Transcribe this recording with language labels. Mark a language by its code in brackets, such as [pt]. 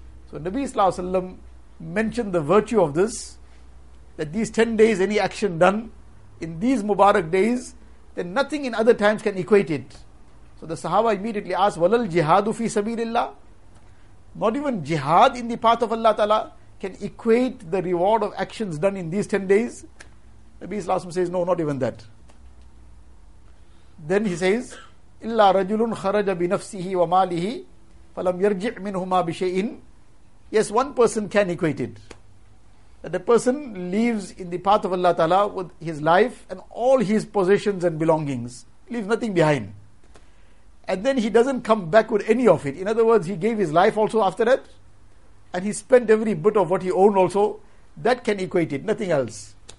[en] So Nabi Sallallahu Alaihi Wasallam mentioned the virtue of this, that these 10 days, any action done in these Mubarak days, then nothing in other times can equate it. So the Sahaba immediately asked, [ar] walal jihadu fi sabilillah? [en] Not even jihad in the path of Allah Ta'ala can equate the reward of actions done in these 10 days. Nabi Sallallahu Alaihi Wasallam says, no, not even that. Then he says, [ar] إلا رجل خرج بنفسه وماله فلم يرجع منهما بشيء. [en] Yes, one person can equate it. That the person lives in the path of Allah Ta'ala with his life and all his possessions and belongings. Leaves nothing behind. And then he doesn't come back with any of it. In other words, he gave his life also after that. And he spent every bit of what he owned also. That can equate it, nothing else.